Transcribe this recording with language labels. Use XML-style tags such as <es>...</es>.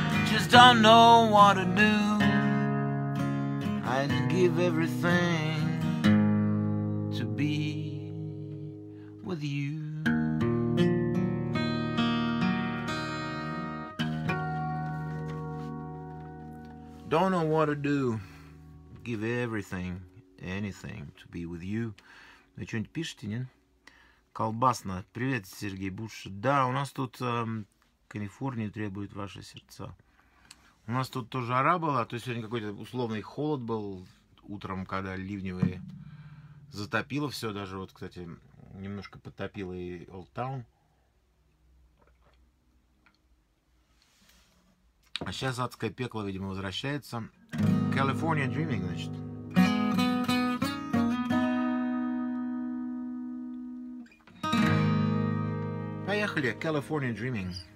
<en>Just don't know what to do. I'd give everything to be with you. Don't know what to do, give everything, anything to be with you.</en> <ru>Вы что-нибудь пишете, нет? Колбасно. Привет, Сергей Буш. Да, у нас тут Калифорния требует ваши сердца. У нас тут тоже жара была, то есть сегодня какой-то условный холод был утром, когда ливневые затопило все, даже вот, кстати, немножко потопило и Old Town. А сейчас адское пекло, видимо, возвращается. California Dreaming, значит. Поехали. California Dreaming.</ru>